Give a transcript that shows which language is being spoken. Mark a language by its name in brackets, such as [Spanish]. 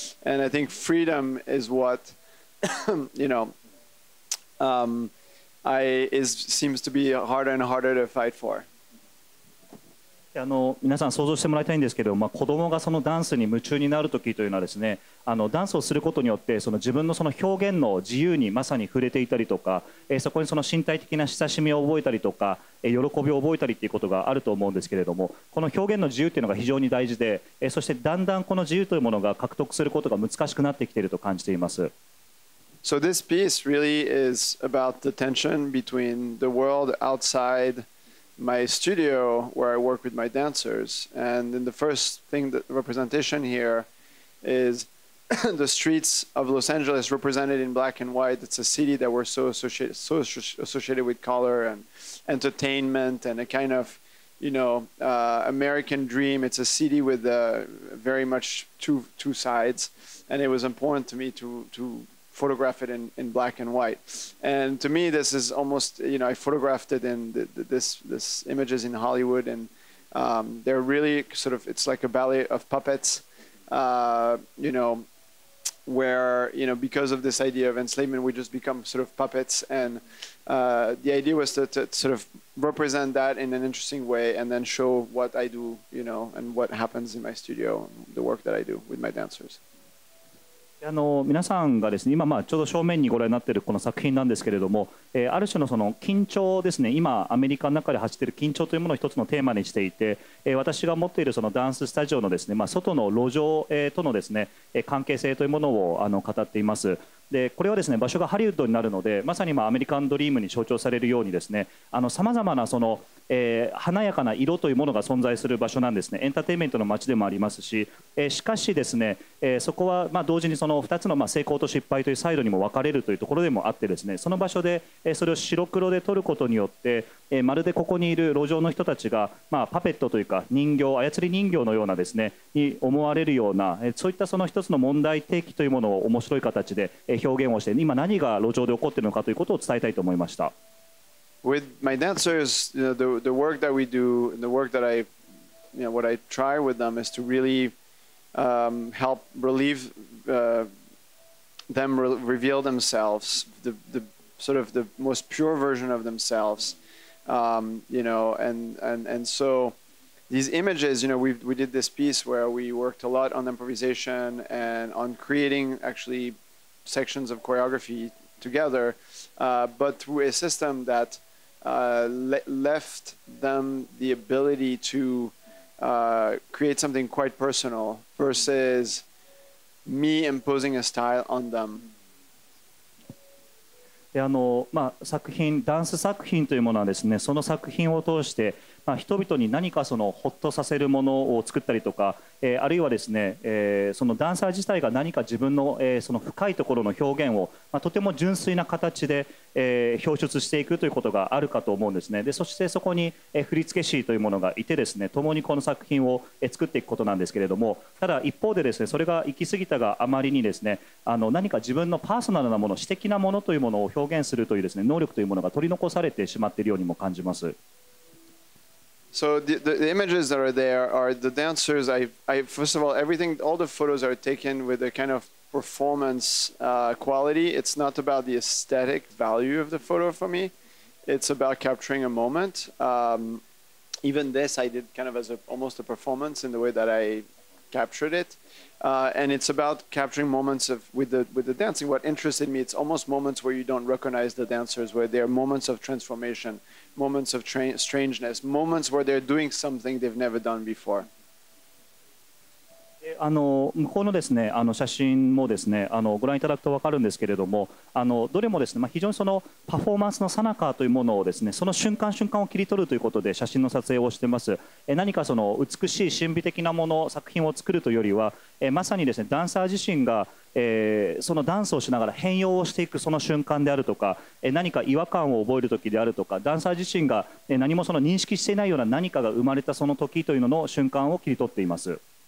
[English] And I think freedom is what, you know, seems to be harder and harder to fight for. [Japanese] あの皆さん想像してもらいたいんですけど、まあ、子どもがそのダンスに夢中になるときというのはですね、あのダンスをすることによってその自分 の、 その表現の自由にまさに触れていたりとか、そこにその身体的な親しみを覚えたりとか、喜びを覚えたりということがあると思うんですけれども、この表現の自由というのが非常に大事で、そしてだんだんこの自由というものが獲得することが難しくなってきていると感じています。 [English] So this piece really is about the tension between the world outsideMy studio, where I work with my dancers, and in the first thing, the representation here is the streets of Los Angeles represented in black and white. It's a city that we're so associated with color and entertainment and a kind of, you know, American dream. It's a city with very much two sides, and it was important to me to photograph it in black and white. And to me, this is almost, you know, I photographed it in this images in Hollywood, and they're really sort of, it's like a ballet of puppets, you know, where, you know, because of this idea of enslavement, we just become sort of puppets. And the idea was to sort of represent that in an interesting way and then show what I do, you know, and what happens in my studio, the work that I do with my dancers. [Japanese] あの皆さんがですね、今まあちょうど正面にご覧になっているこの作品なんですけれども、ある種 の、 その緊張ですね、今アメリカの中で走っている緊張というものを一つのテーマにしていて、私が持っているそのダンススタジオのですね、まあ、外の路上、とのですね、関係性というものをあの語っています。でこれはですね、場所がハリウッドになるので、まさにまあアメリカンドリームに象徴されるようにですね、あの様々なその華やかな色というものが存在する場所なんですね。エンターテインメントの街でもありますし、しかしですね、そこはまあ同時にその2つのまあ成功と失敗というサイドにも分かれるというところでもあってですね、その場所でそれを白黒で撮ることによって、まるでここにいる路上の人たちが、まあ、パペットというか人形、操り人形のようなですね、に思われるような、そういったその1つの問題提起というものを面白い形で表現をして、今何が路上で起こっているのかということを伝えたいと思いました。 [English] With my dancers, you know, the work that we do, and the work that I, you know, what I try with them is to really help relieve them, reveal themselves, the sort of the most pure version of themselves, you know, and so these images, you know, we did this piece where we worked a lot on improvisation and on creating actually sections of choreography together, but through a system that left them the ability to create something quite personal versus me imposing a style on them. [Japanese] であのまあ、作品ダンス作品というものはですね、その作品を通して、まあ、人々に何かそのホッとさせるものを作ったりとか、あるいはですね、そのダンサー自体が何か自分の、その深いところの表現を、まあ、とても純粋な形で、表出していくということがあるかと思うんですね。でそしてそこに、振付師というものがいてですね、共にこの作品を、作っていくことなんですけれども、ただ一方でですね、それが行き過ぎたがあまりにですね、あの何か自分のパーソナルなもの、私的なものというものを表現するというですね、能力というものが取り残されてしまっているようにも感じます。 [English] So the images that are there are the dancers. I first of all, everything, all the photos are taken with a kind of performance quality. It's not about the aesthetic value of the photo for me. It's about capturing a moment. Even this, I did kind of as a, almost a performance in the way that I captured it. And it's about capturing moments of with the dancing. What interested me, it's almost moments where you don't recognize the dancers, where they're moments of transformation, moments of strangeness, moments where they're doing something they've never done before. [Japanese] あの向こうのですね、あの写真もですね、あのご覧いただくと分かるんですけれども、あのどれもですね、まあ、非常にそのパフォーマンスのさなかというものをですね、その瞬間瞬間を切り取るということで写真の撮影をしています。何かその美しい神秘的なもの作品を作るというよりは、まさにですね、ダンサー自身が、そのダンスをしながら変容をしていくその瞬間であるとか、何か違和感を覚える時であるとか、ダンサー自身が何もその認識していないような何かが生まれたその時というのの瞬間を切り取っています。